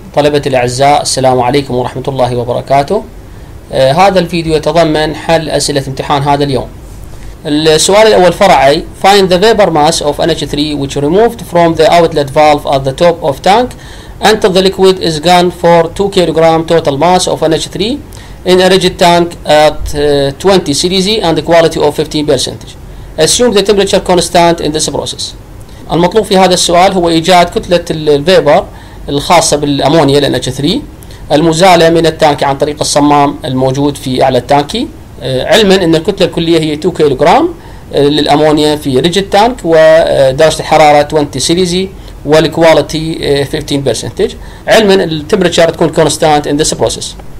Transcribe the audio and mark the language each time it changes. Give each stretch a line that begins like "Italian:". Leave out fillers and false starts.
Arabic: طلبتي الأعزاء، السلام عليكم ورحمة الله وبركاته. هذا الفيديو يتضمن حل أسئلة امتحان هذا اليوم. السؤال الأول فرعي:
English: Find the vapor mass of NH3 which removed from the outlet valve at the top of tank until the liquid is gone for 2 kg total mass of NH3 in a rigid tank at 20 cDZ and the quality of 15%. Assume the temperature constant in this process.
Arabic: المطلوب في هذا السؤال هو إيجاد كتلة الفيبر الخاصة بالأمونيا NH3 المزالة من التانكي عن طريق الصمام الموجود في أعلى التانكي، علما أن الكتلة الكلية هي 2 كيلوغرام للأمونيا في ريجيد تانك ودرجة الحرارة 20 سيليزي والكواليتي 15%، علما التمبرتشر تكون كونستانت
English: in this process.